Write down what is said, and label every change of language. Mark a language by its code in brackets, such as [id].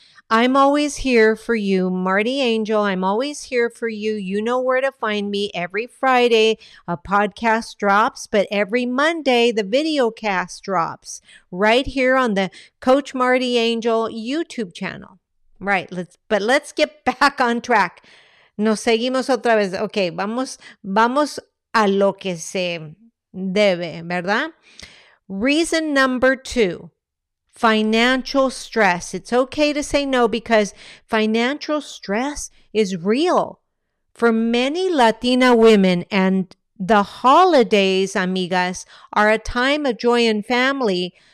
[en] I'm always here for you, Marty Angel. I'm always here for you. You know where to find me. Every Friday, a podcast drops, but every Monday, the video cast drops right here on the Coach Marty Angel YouTube channel. Right, let's get back on track. [es] Nos seguimos otra vez. Okay, vamos a lo que se debe, ¿verdad? [en] Reason number two, financial stress. It's okay to say no because financial stress is real for many Latina women, and the holidays, amigas, are a time of joy and family.